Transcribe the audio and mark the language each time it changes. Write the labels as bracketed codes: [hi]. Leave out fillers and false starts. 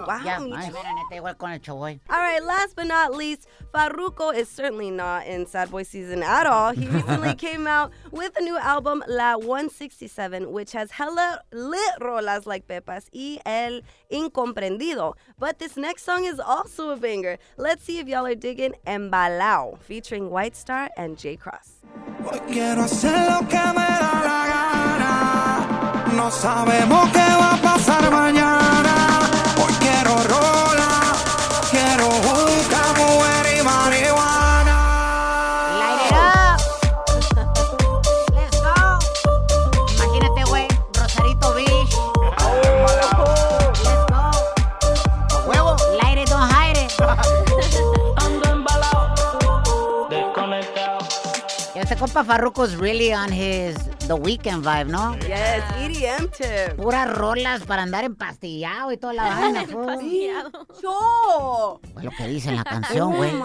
[en] Yeah, all right, last but not least, Farruko is certainly not in Sad Boy season at all. He recently came out with a new album, La 167, which has hella lit rolas like Pepas y El Incomprendido. But this next song is also a banger. Let's see if y'all are digging Embalao, featuring White Star and J Cross. [es] Hoy quiero hacer lo que me da la gana. No sabemos qué va a pasar mañana. Hoy quiero rola, quiero juca, mujer y marihuana. [en] Light it up. Let's go. [es] Imagínate, güey, Rosarito Beach. [en] Let's go. [es] Huevo. [en] Light it, don't hide it. [es] Este compa [en] Farruko is really on his The Weeknd vibe, ¿no? Yes, EDM tip. [es] Puras rolas para andar empastillado y toda la vaina. ¡Empastillado! Es lo que dice en la canción, güey.